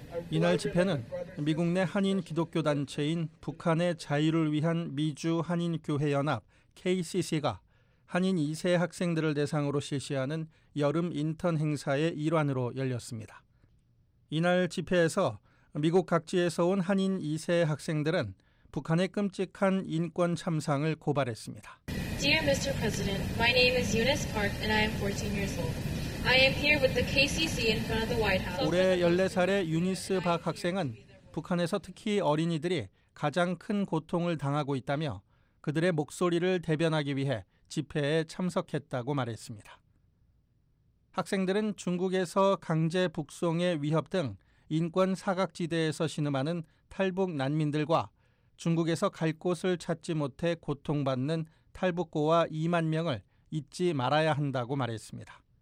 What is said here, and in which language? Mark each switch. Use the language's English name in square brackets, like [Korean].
[Korean] 이날 집회는 미국 내 한인 기독교 단체인 북한의 자유를 위한 미주 한인교회연합 KCC가 한인 2세 학생들을 대상으로 실시하는 여름 인턴 행사의 일환으로 열렸습니다. 이날 집회에서 미국 각지에서 온 한인 2세 학생들은 북한의 끔찍한 인권 참상을 고발했습니다. [English] Dear Mr. President, my name is Eunice Park and I am 14 years old. I am here with the KCC in front of the White House. [Korean] 올해 14살의 유니스 박 학생은 북한에서 특히 어린이들이 가장 큰 고통을 당하고 있다며 그들의 목소리를 대변하기 위해 집회에 참석했다고 말했습니다. 학생들은 중국에서 강제 북송의 위협 등 인권 사각지대에서 신음하는 탈북 난민들과 중국에서 갈 곳을 찾지 못해 고통받는 탈북고아 2만 명을 잊지 말아야 한다고 말했습니다.